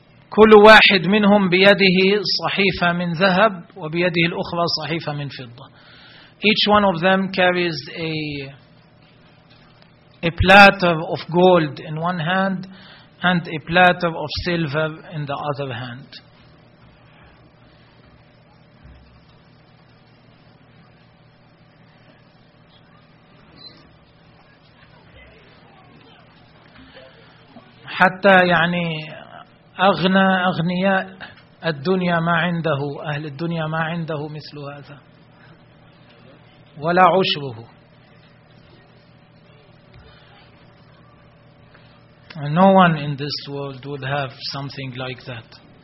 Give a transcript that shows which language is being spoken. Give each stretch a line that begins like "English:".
Arabic: كل واحد منهم بيده صحيفة من ذهب وبيده الأخرى صحيفة من فضة.
English: Each one of them carries a platter of gold in one hand and a platter of silver in the other hand.
Arabic: حتى يعني أغنياء الدنيا ما عنده، أهل الدنيا ما عنده مثل هذا ولا عشره.
English: No one in this world would have something like that.